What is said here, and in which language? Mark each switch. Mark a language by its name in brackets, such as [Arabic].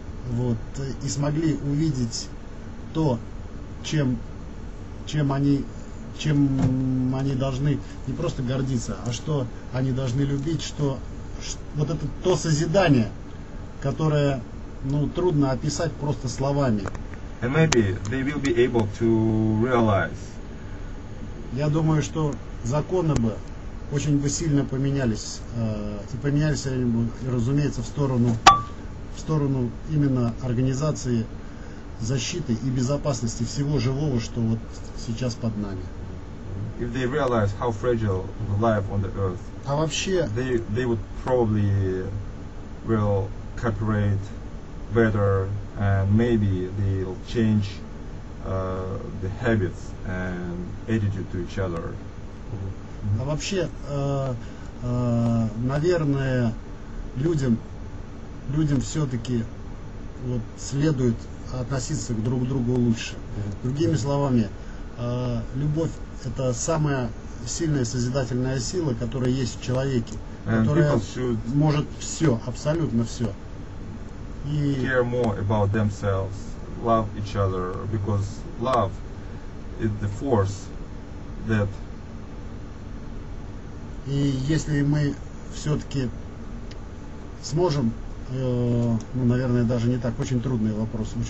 [Russian] Вот, и смогли увидеть то, чем они должны не просто гордиться, а что они должны любить, вот это то созидание, которое, ну, трудно описать просто словами. [English] And maybe they will be able to realize. [Russian] Я думаю, что законы бы очень бы сильно поменялись, и поменялись они бы, разумеется, в сторону именно организации защиты и безопасности всего живого, что вот сейчас под нами. [English] If they realize how fragile the life on the earth, [Russian] а вообще, [English] they would probably will cooperate better and maybe they'll change the habits and attitude to each other. [Russian] А вообще, наверное, людям все-таки вот следует относиться друг к другу лучше. Другими словами, любовь — это самая сильная созидательная сила, которая есть в человеке, [English] and [Russian] которая может все, абсолютно все. И [English] care more about themselves, love each other, because love is the force that. [Russian] И если мы все-таки сможем, ну, наверное, даже не так, очень трудный вопрос.